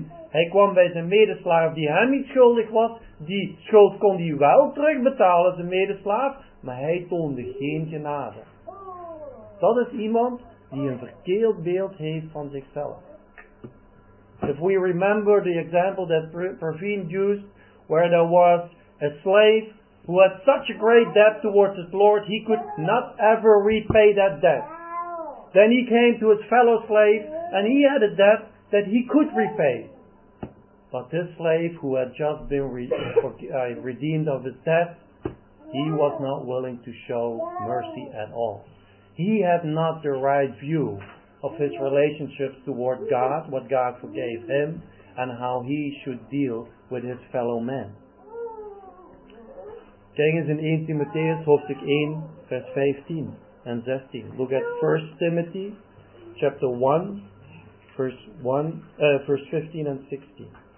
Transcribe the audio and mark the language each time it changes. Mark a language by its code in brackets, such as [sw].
[nl] Hij kwam bij zijn medeslaaf die hem niet schuldig was, die schuld kon hij wel terugbetalen, zijn medeslaaf, maar hij toonde geen genade. Dat is iemand die een verkeerd beeld heeft van zichzelf. [en] If we remember the example that Praveen used, where there was a slave who had such a great debt towards his Lord, he could not ever repay that debt. Then he came to his fellow slave, and he had a debt that he could repay. But this slave who had just been redeemed of his debt, he was not willing to show mercy at all. He had not the right view of his relationships toward God, what God forgave him, and how he should deal with his fellow men. [nl] Kijk eens in 1 Timotheus hoofdstuk 1, vers 15 en 16. [en] Look at 1 Timothy chapter 1, verse 15 and 16.